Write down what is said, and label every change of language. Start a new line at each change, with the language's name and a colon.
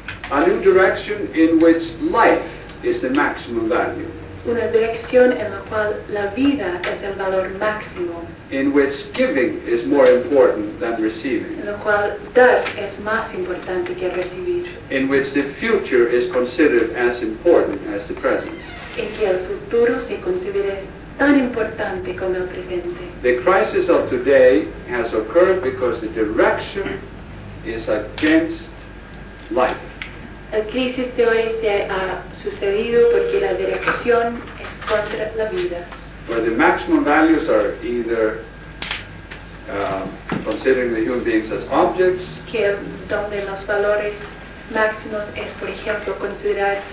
English: A new direction in which life is the maximum value.
Spanish: Una dirección en la cual la vida es el valor máximo.
English: In which giving is more important than receiving.
Spanish: En lo cual dar es más importante que recibir.
English: In which the future is considered as important as the present.
Spanish: En que el futuro se considere tan importante como el presente.
English: The crisis of today has occurred because the direction is against life.
Spanish: La crisis de hoy se ha sucedido porque la dirección es contra la vida.
English: Where the maximum values are either considering the human beings as objects,
Spanish: que donde los valores máximos es, por ejemplo, considerar